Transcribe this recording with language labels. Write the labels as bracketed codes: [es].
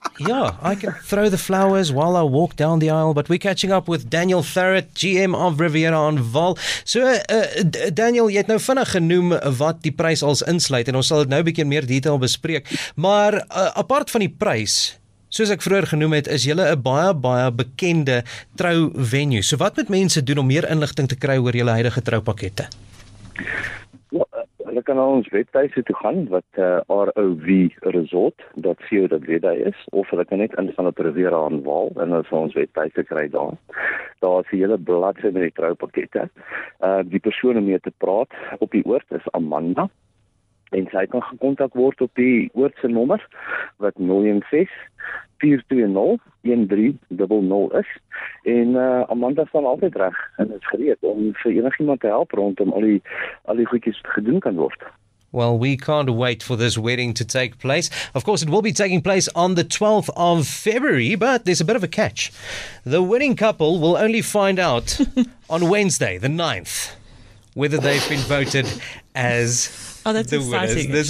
[en] Ja, I can throw the flowers while I walk down the aisle, but we're catching up with Daniel Therrett, GM of Riviera on Vol. [af] So, Daniel, jy het nou vinnig genoem wat die prys als insluit, en ons sal dit nou bietjie meer detail bespreek, maar apart van die prys, soos ek vroeger genoem het, is julle 'n baie, baie bekende trou venue. So wat moet mense doen om meer inligting te kry oor julle huidige troupakkette? Hulle kan na ons webtuise toe gaan, wat rovresort.co.za is, of hulle kan net ingaan op Riviera on Vol, en hulle sal ons webtuise kry daar. Daar is die hele bladsy met die troupakkette. Die persoon om mee te praat op die oord is Amanda, en sy kan gekontak word op die oordse nommer, wat 06-420-1300 is, en Amanda staan altyd reg en is gereed om vir enig iemand te help rondom al die goedjies wat gedoen kan word. [en] Well, we can't wait for this wedding to take place. Of course, it will be taking place on the 12th of February, but there's a bit of a catch. The winning couple will only find out on Wednesday, the 9th, whether they've been voted as that's the exciting. Winners.